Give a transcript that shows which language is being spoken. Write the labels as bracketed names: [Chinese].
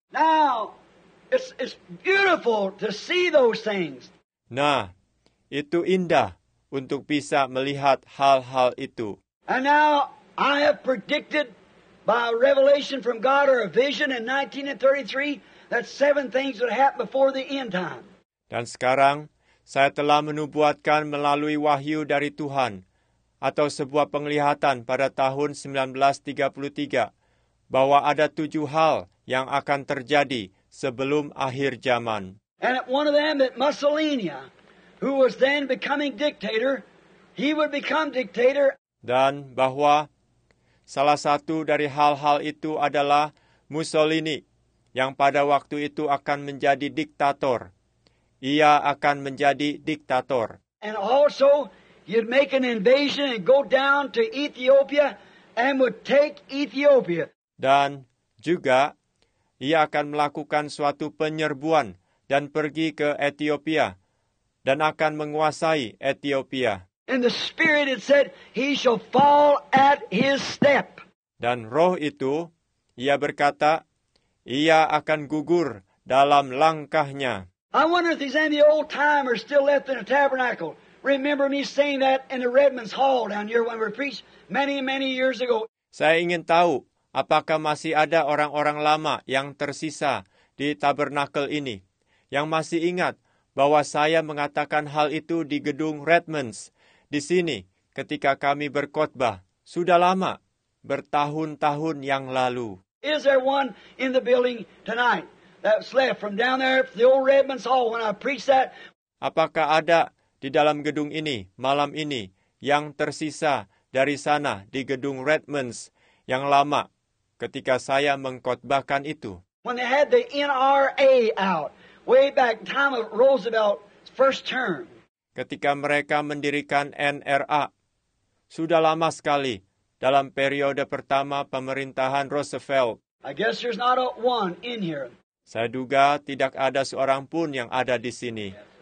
[English] Now, it's beautiful to see those things. [Indonesian] Nah, itu indah untuk bisa melihat hal-hal itu. [English] And now I have predicted by a revelation from God or a vision in 1933 that seven things would happen before the end time. [Indonesian] Dan sekarang saya telah menubuatkan melalui wahyu dari Tuhan atau sebuah penglihatan pada tahun 1933 bahwa ada 7 hal yang akan terjadi sebelum akhir zaman. [English] And one of them that Mussolini, who was then becoming dictator, he would become dictator. [Indonesian] Dan bahwa salah satu dari hal-hal itu adalah Mussolini yang pada waktu itu akan menjadi diktator. Ia akan menjadi diktator. [English] And also he'd make an invasion and go down to Ethiopia and would take Ethiopia. [Indonesian] Dan juga ia akan melakukan suatu penyerbuan dan pergi ke Ethiopia. Dan akan menguasai Ethiopia. [English] In the spirit it said, he shall fall at his step. [Indonesian] Dan roh itu, ia berkata, ia akan gugur dalam langkahnya. [English] I wonder if these any old timers still left in the tabernacle. Remember me saying that in the Redmond's Hall down here when we preached many, many years ago. [Indonesian] Saya ingin tahu, apakah masih ada orang-orang lama yang tersisa di tabernacle ini, yang masih ingat bahwa saya mengatakan hal itu di gedung Redmond's, di sini, ketika kami berkhotbah, sudah lama, bertahun-tahun yang lalu. [English] Is there one in the building tonight that's left from down there, the old Redmond's Hall, when I preached that? [Indonesian] Apakah ada di dalam gedung ini, malam ini, yang tersisa dari sana, di gedung Redmond's, yang lama, ketika saya mengkhotbahkan itu? [English] When they had the NRA out, way back time of Roosevelt's first term. [Indonesian] Ketika mereka mendirikan NRA, sudah lama sekali dalam periode pertama pemerintahan Roosevelt. [English] I guess there's not a one in here. [Indonesian] Saya duga tidak ada seorang pun yang ada di sini.